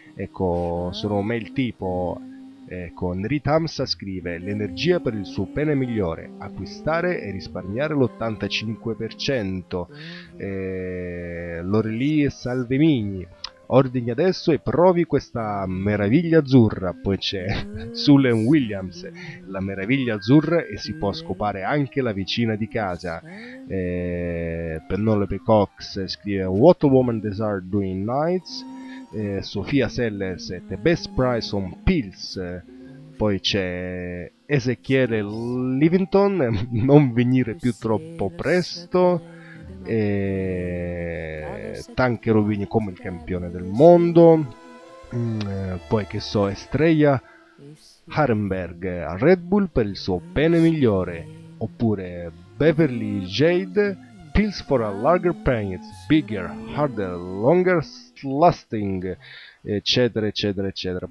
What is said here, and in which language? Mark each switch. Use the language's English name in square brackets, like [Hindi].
[Italian] Ecco, sono mail tipo, ecco, Nritamsa scrive: l'energia per il suo pene migliore, acquistare e risparmiare l'85%, Lorelì e Salve Mini, ordini adesso e provi questa meraviglia azzurra. Poi c'è Sullen Williams: la meraviglia azzurra e si può scopare anche la vicina di casa. [English] Penelope Cox [Italian] scrive: [English] what a woman desire doing nights. Sofia Sellers: the best price on pills. [Italian] Poi c'è Ezechiele Livington: non venire più troppo presto. Tanque Rovigne come il campione del mondo, poi che so, Estrella Harenberg a Red Bull per il suo pene migliore, oppure Beverly Jade [English] Pills for a Larger Pain, It's Bigger, Harder, Longer Lasting, [Italian] eccetera eccetera eccetera.